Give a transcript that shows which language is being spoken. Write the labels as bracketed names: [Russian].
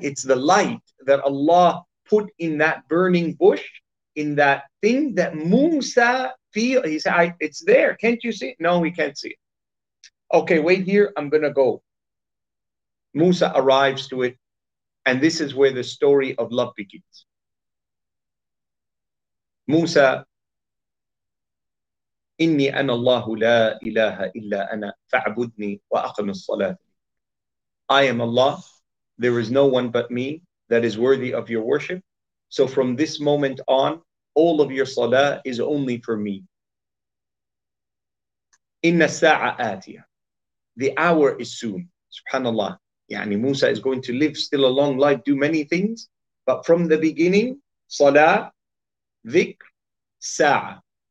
[English] It's the light that Allah put in that burning bush, in that thing that Musa feel, he said, it's there. Can't you see it? No, we can't see it. Okay, wait here. I'm going to go. Musa arrives to it. And this is where the story of love begins. [Arabic] Musa, إني أنا الله لا إله إلا أنا فاعبدني وأقم الصلاة. [English] I am Allah. There is no one but me that is worthy of your worship. So from this moment on, all of your salah is only for me. [Arabic] Inna sa'a atiya. [English] The hour is soon. Subhanallah. Yani Musa is going to live still a long life, do many things. But from the beginning, salah, dhikr, sa'a.